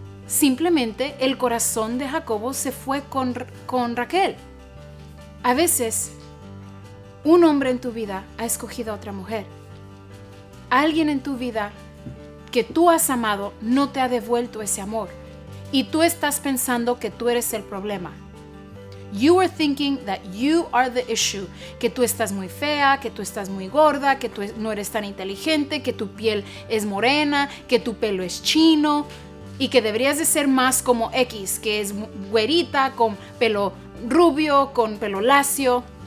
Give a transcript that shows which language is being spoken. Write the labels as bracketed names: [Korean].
[Spanish] Simplemente el corazón de Jacobo se fue con Raquel. A veces, un hombre en tu vida ha escogido a otra mujer. Alguien en tu vida que tú has amado no te ha devuelto ese amor. Y tú estás pensando que tú eres el problema. [English] You are thinking that you are the issue. [Spanish] Que tú estás muy fea, que tú estás muy gorda, que tú no eres tan inteligente, que tu piel es morena, que tu pelo es chino. Y que deberías de ser más como X, que es güerita, con pelo rubio, con pelo lacio.